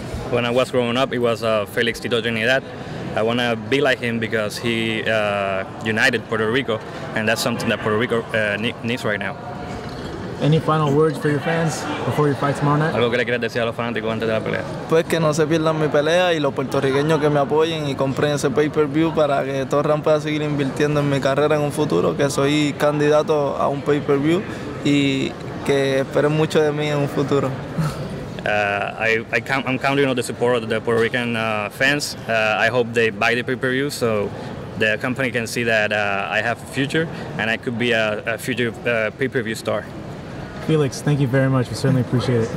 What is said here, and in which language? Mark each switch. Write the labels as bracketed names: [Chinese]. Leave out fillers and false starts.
[English] When I was growing up, it was Félix Tito Trinidad. I want to be like him because he united Puerto Rico, and that's something that Puerto Rico needs right now. Any final words for your fans before your fight tomorrow night? [Spanish] Algo que le quieras decir a los fanáticos antes de la pelea. Pues que no se pierdan mi pelea y los puertorriqueños que me apoyen y compren ese pay-per-view para que Torran pueda seguir invirtiendo en mi carrera en un futuro, que soy candidato a un pay-per-view y que esperen mucho de mí en un futuro. [English] I'm counting on the support of the Puerto Rican fans. I hope they buy the pay-per-view so the company can see that I have a future and I could be a future pay-per-view star. Felix, thank you very much. We certainly appreciate it.